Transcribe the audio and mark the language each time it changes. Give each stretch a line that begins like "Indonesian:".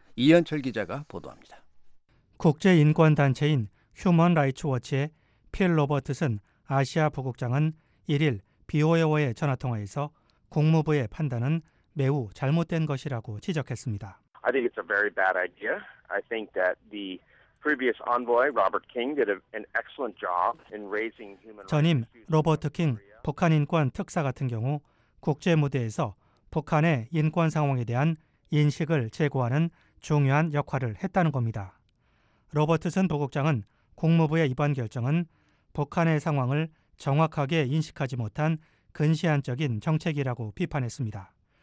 Korean: 이현철 기자가 보도합니다. 국제인권단체인 휴먼 라이츠 워치의 필 로버트슨 아시아 부국장은 1일 BOA와의 전화통화에서 국무부의 판단은 매우 잘못된 것이라고 지적했습니다.
English: I think it's a very bad idea. I think that the previous envoy Robert King did an excellent job in raising human rights.
Korean: 전임 로버트 킹 북한 인권 특사 같은 경우 국제 무대에서 북한의 인권 상황에 대한 인식을 제고하는 중요한 역할을 했다는 겁니다. 로버트슨 부국장은 국무부의 이번 결정은 북한의 상황을 정확하게 인식하지 못한 근시안적인 정책이라고 비판했습니다.